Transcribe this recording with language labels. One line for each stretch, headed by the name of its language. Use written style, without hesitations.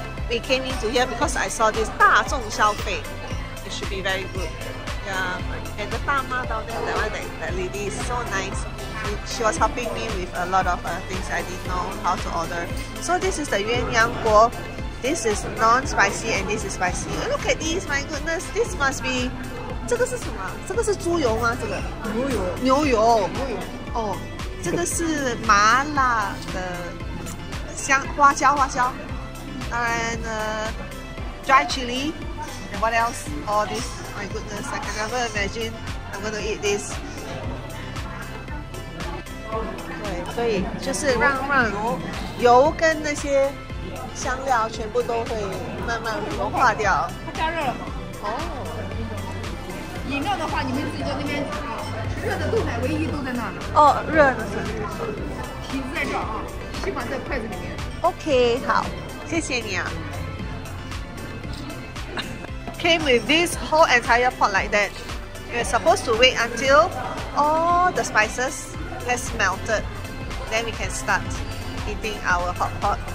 English: We came into here because I saw this 大众消费. It should be very good. Yeah, and the 大妈 down there, that lady is so nice. She was helping me with a lot of things I didn't know how to order. So this is the 鸳鸯锅.This is non-spicy and this is spicy. Look at this, my goodness. This must be...
Chinese: 这个是什么？这个是猪油吗？这个牛油，牛油，牛油。哦，这个是麻辣的香花椒，花椒。
English: And dry chili. And what else? All this. My goodness, I can never imagine I'm going to eat this.
Chinese: 对，所以就是让油跟那些香料全部都会慢慢融化掉。它加热了吗？哦。饮料的话，你们自己在那边热的豆奶，唯一都在那儿。哦，热的是。瓶子在这儿啊，吸管在筷子里面。 OK， 好，谢谢你啊。
English: Came with this whole entire pot like that. We're supposed to wait until all the spices has melted, then we can start eating our hot pot.